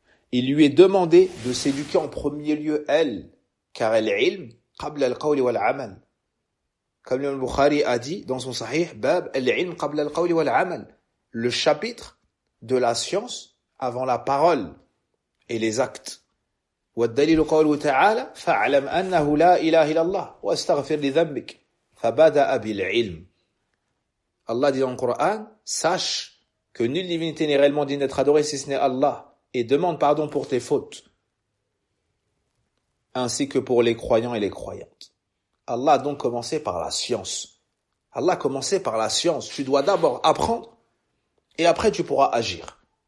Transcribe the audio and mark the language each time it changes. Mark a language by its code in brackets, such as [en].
[fr] Il lui est demandé de s'éduquer en premier lieu elle, car elle est ilm, [ar] قبل القول والعمل. [fr] Comme le Bukhari a dit dans son sahih, [ar] bab al-ilm qabla al-qawli wa al-amal. [fr] Le chapitre de la science avant la parole et les actes. [ar] والدليل قوله تعالى فاعلم انه لا اله الا الله واستغفر لذنبك فبدا بالعلم. [fr] Allah dit dans le Coran, sache que nulle divinité n'est réellement digne d'être adorée si ce n'est Allah et demande pardon pour tes fautes. Ainsi que pour les croyants et les croyantes. Allah a donc commencé par la science. Allah a commencé par la science. Tu dois d'abord apprendre et après tu pourras agir.